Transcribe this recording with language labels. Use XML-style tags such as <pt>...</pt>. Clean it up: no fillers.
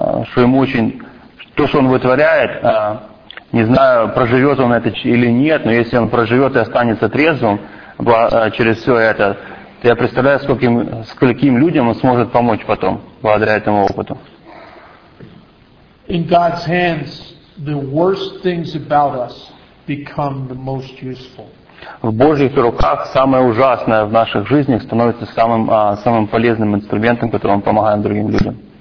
<ru>что ему очень, то, что он вытворяет, не знаю, проживет он это или нет, но если он проживет и останется трезвым через все это, то я представляю, скольким людям он сможет помочь потом, благодаря этому опыту.</ru> <en>In God's hands, the worst things about us become the most useful.</en> <ru>В Божьих руках самое ужасное в наших жизнях становится самым полезным инструментом, которым мы помогаем другим людям.</ru>